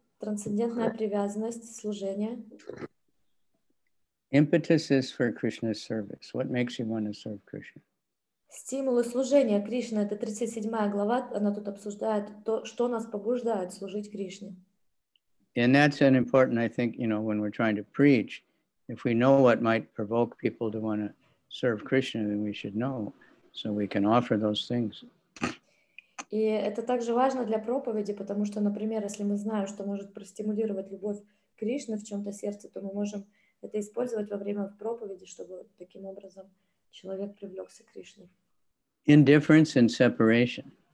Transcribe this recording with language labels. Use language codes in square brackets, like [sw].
[ru] Трансцендентная привязанность, служение. [en] Impetus is for Krishna's service. What makes you want to serve Krishna? [ru] Стимулы служения Кришне, это 37 глава, она тут обсуждает то, что нас побуждает служить Кришне. [en] And that's an important, I think, you know, when we're trying to preach, if we know what might provoke people to want to serve Krishna, then we should know, so we can offer those things. [ru] И это также важно для проповеди, потому что, например, если мы знаем, что может простимулировать любовь Кришны в чем-то сердце, то мы можем это использовать во время проповеди, чтобы таким образом... Человек привлекся к Кришне. [en] Indifference and separation.